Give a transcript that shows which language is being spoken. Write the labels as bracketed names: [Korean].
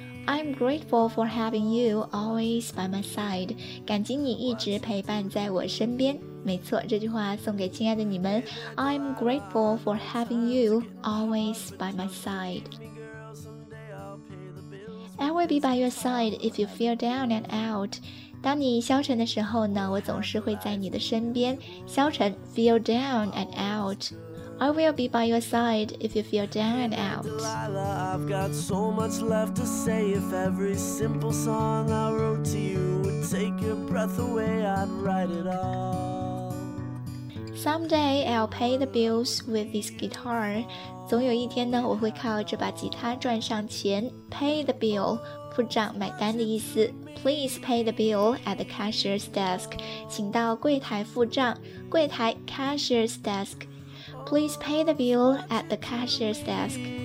[English] I'm grateful for having you always by my side. [Chinese] 感激你一直陪伴在我身边。没错，这句话送给亲爱的你们。 [English] I'm grateful for having you always by my side. I will be by your side if you feel down and out. [Chinese] 当你消沉的时候呢，我总是会在你的身边。 [English] 消沉 feel down and out. I will be by your side if you feel down and out. Delilah, I've got so much left to say. If every simple song I wrote to you would take your breath away, I'd write it all. Someday I'll pay the bills with this guitar. [Chinese] 总有一天呢，我会靠这把吉他赚上钱。 [English] Pay the bill, [Chinese] 付账买单的意思。 [English] Please pay the bill at the cashier's desk. [Chinese] 请到柜台付账。柜台 cashier's desk. [English] Please pay the bill at the cashier's desk.